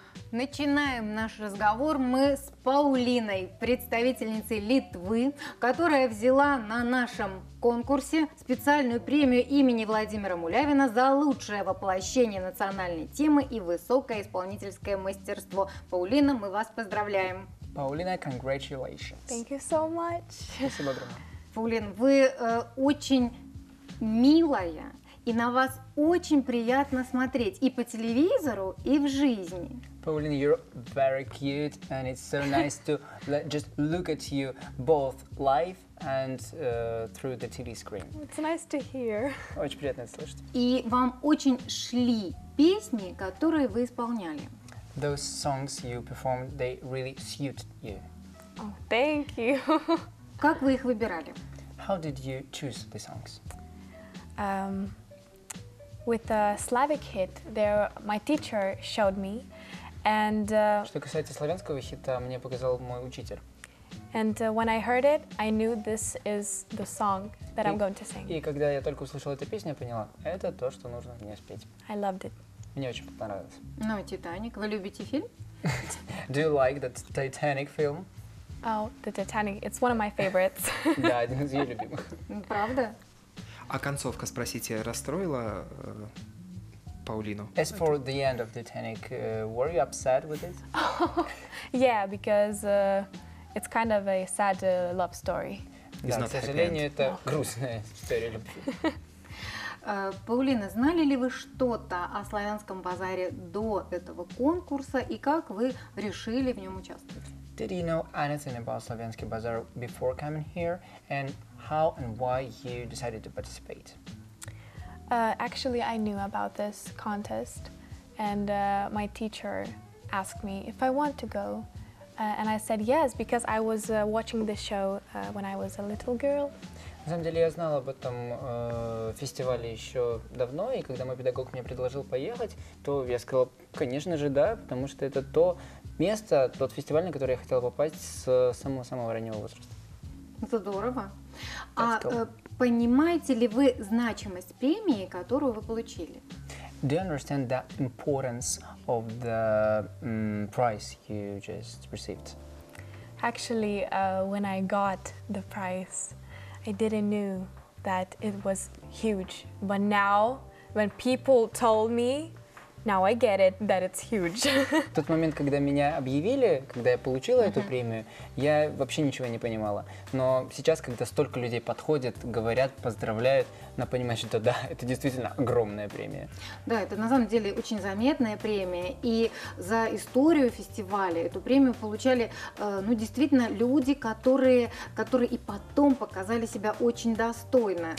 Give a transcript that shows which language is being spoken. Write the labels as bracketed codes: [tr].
[ru] Начинаем наш разговор мы с Паулиной, представительницей Литвы, которая взяла на нашем конкурсе специальную премию имени Владимира Мулявина за лучшее воплощение национальной темы и высокое исполнительское мастерство. Паулина, мы вас поздравляем. [en] Паулина, congratulations. Thank you so much. [ru] Спасибо огромное. Паулин, вы очень милая, и на вас очень приятно смотреть и по телевизору, и в жизни. [en] Паулин, you're very cute, and it's so nice to just look at you both live and through the TV screen. It's nice to hear. [ru] Очень приятно слышать. И вам очень шли песни, которые вы исполняли. [en] Those songs you performed, they really suited you. Oh, thank you. [ru] Как вы их выбирали? [en] How did you choose the songs? with a Slavic hit, there my teacher showed me, and. [ru] Что касается славянского хита, мне показал мой учитель. [en] And when I heard it, I knew this is the song that I'm going to sing. [ru] И когда я только услышала эту песню, я поняла, это то, что нужно мне спеть. [en] I loved it. [ru] Мне очень понравилось. Ну, Титаник, вы любите фильм? [en] Do you like the Titanic film? Oh, the Titanic, it's one of my favorites. [ru] Да, один из её любимых. Правда? А концовка, спросите, расстроила Паулину? [en] As for the end of Titanic, were you upset with it? Yeah, because... It's kind of a sad love story. [ru] Да, к сожалению, это грустная история любви. Паулина, знали ли вы что-то о славянском базаре до этого конкурса и как вы решили в нем участвовать? [en] Did you know anything about Slavyansky Bazaar before coming here, and how and why you decided to participate? Actually, I knew about this contest, and my teacher asked me if I want to go. And I said yes, because I was watching the show when I was a little girl. [ru] На самом деле, я знала об этом фестивале еще давно, и когда мой педагог мне предложил поехать, то я сказала, конечно же, да, потому что это то место, тот фестиваль, на который я хотела попасть с самого-самого раннего возраста. Здорово. А понимаете ли вы значимость премии, которую вы получили? [en] Do you understand the importance of the prize you just received? Actually, when I got the prize, I didn't know that it was huge. But now, when people told me, now I get it, that it's huge. [ru] В тот момент, когда меня объявили, когда я получила эту премию, я вообще ничего не понимала. Но сейчас, когда столько людей подходят, говорят, поздравляют, она понимает, что да, это действительно огромная премия. Да, это на самом деле очень заметная премия. И за историю фестиваля эту премию получали, ну, действительно, люди, которые и потом показали себя очень достойно.